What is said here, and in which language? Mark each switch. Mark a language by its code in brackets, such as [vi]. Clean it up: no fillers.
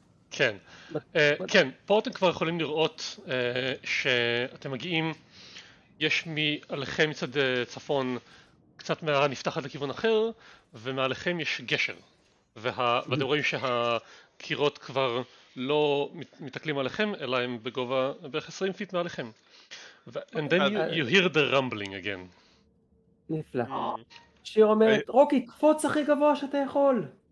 [he] כן, כן, פה אתם כבר יכולים לראות שאתם מגיעים, יש מעליכם מצד צפון קצת מערה נפתחת לכיוון אחר, ומעליכם יש גשר, ואתם רואים שהקירות כבר לא מתקלים עליכם, אלא הם בגובה בערך 20 פיט מעליכם. [en] And then you hear the rumbling again. [he] נפלא. שיר אומרת, רוקי, קפוץ הכי גבוה שאתה יכול.